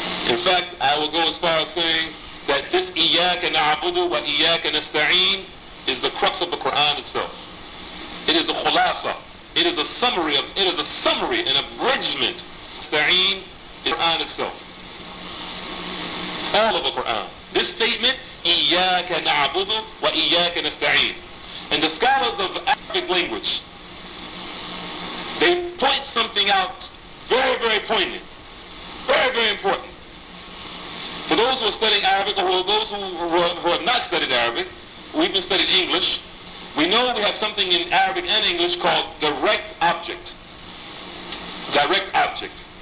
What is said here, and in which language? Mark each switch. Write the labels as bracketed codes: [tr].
[en] In fact, I will go as far as saying that this [ar] إِيَّاكَ نَعْبُدُ وَإِيَّاكَ نَسْتَعِينَ [en] is the crux of the Quran itself. It is a khulasa. It is a summary of, it is a summary, an abridgment. Nasta'een is the Quran itself. All of the Quran. This statement, [ar] إِيَّاكَ نَعْبُدُ وَإِيَّاكَ نَسْتَعِينَ. [en] And the scholars of Arabic language, they point something out very, very poignant. Very, very important. For those who are studying Arabic, or those who have not studied Arabic, we've been studying English, we know we have something in Arabic and English called direct object. Direct object.